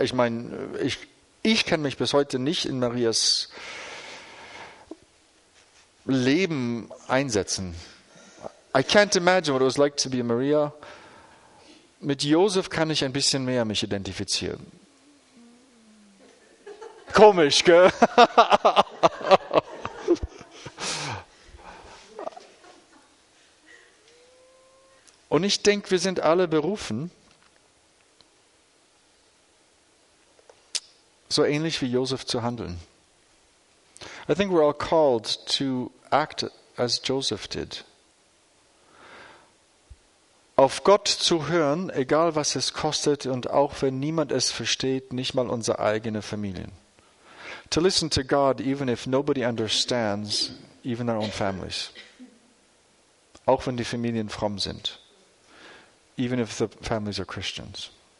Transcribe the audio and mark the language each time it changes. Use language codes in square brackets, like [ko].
[de] Ich meine, ich kann mich bis heute nicht in Marias Leben einsetzen. [en] I can't imagine what it was like to be Maria. [de] Mit Josef kann ich ein bisschen mehr mich identifizieren. Komisch, gell? Und ich denke, wir sind alle berufen, so ähnlich wie Josef zu handeln. [en] I think we're all called to act as Joseph did. [de] Auf Gott zu hören, egal was es kostet und auch wenn niemand es versteht, nicht mal unsere eigene Familien. [en] To listen to God, even if nobody understands, even our own families. [de] Auch wenn die Familien fromm sind. [en] Even if the families are Christians.